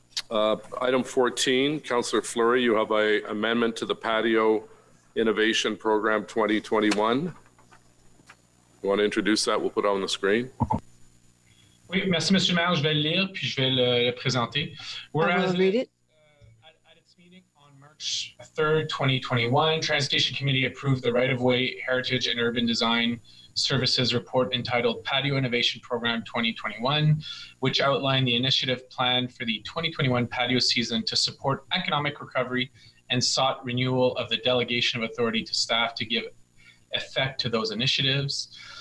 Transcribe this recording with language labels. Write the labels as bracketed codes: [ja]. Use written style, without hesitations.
[en] Item 14, Councillor Fleury, you have an amendment to the Patio Innovation Program 2021. You want to introduce that? We'll put it on the screen. [fr] Oui, merci, Monsieur le Maire. Je vais le lire, puis je vais le présenter. [en] Whereas read it. At its meeting on March 3rd, 2021, Transportation Committee approved the Right-of-Way Heritage and Urban Design Services report entitled Patio Innovation Program 2021, which outlined the initiative plan for the 2021 patio season to support economic recovery and sought renewal of the delegation of authority to staff to give effect to those initiatives.